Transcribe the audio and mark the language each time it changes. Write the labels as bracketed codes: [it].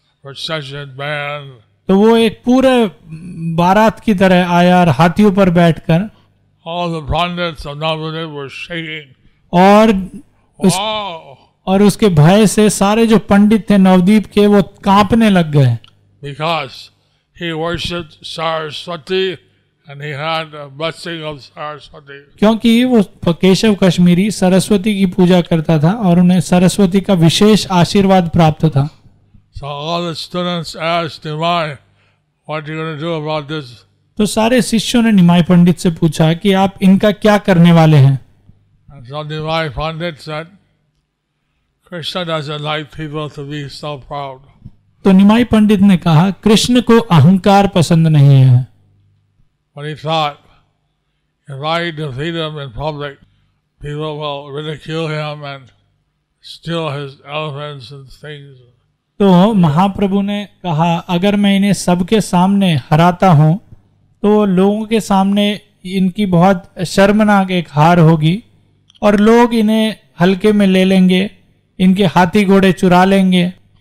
[hi] तो वो एक पूरे बारात की तरह आया और हाथियों पर बैठकर [en] All the pundits of Navadvip were shaking. [hi] और उसके भय से सारे जो पंडित थे नवदीप के वो कांपने लग गए. [en] Because he worshipped Saraswati and he had a blessing of Saraswati. [hi] क्योंकि वो केशव कश्मीरी सरस्वती की पूजा करता था और उन्हें सरस्वती का विशेष आशीर्वाद प्राप्त था. [en] So all the students asked Nimai, "What are you going to do about this?" [hi] तो सारे शिष्यों ने निमाय पंडित से पूछा कि आप इनका क्या करने वाले हैं. [en] So Nimai Pandit said, Krishna doesn't like people to be so proud. [hi] तो निमाय पंडित ने कहा कृष्ण को अहंकार पसंद नहीं है. [en] But he thought, if I defeat him in public, people will ridicule him and steal his elephants and things. [hi] तो महाप्रभु ने कहा अगर मैं इन्हें सबके सामने हराता हूँ तो लोगों के सामने इनकी बहुत शर्मनाक एक हार होगी और लोग इन्हें हल्के में ले लेंगे इनके हाथी घोड़े चुरा लेंगे.